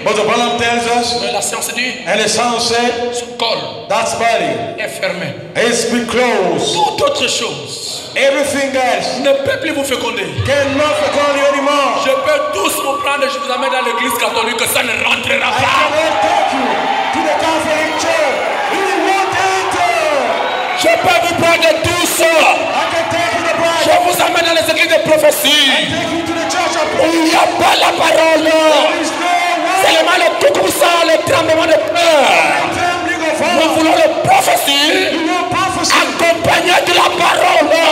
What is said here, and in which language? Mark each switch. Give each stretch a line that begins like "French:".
English: but the Branham tells us,
French: mais la science dit,
English: and the science said,
French: son col,
English: that body,
French: est fermé.
English: It's been closed.
French: Toute autre chose.
English: Everything else
French: ne peut plus vous féconder.
English: Cannot fecund you anymore.
French: Je peux tous vous prendre et je vous amène dans l'église catholique, ça ne rentrera pas.
English: I cannot take you to the Catholic Church. You will not enter.
French: Je peux vous prendre tous. Je vous amène dans les églises de prophétie. Où il n'y a pas la parole. C'est le mal tout comme ça, le tremblement de peur. Nous voulons la prophétie accompagnée de la parole.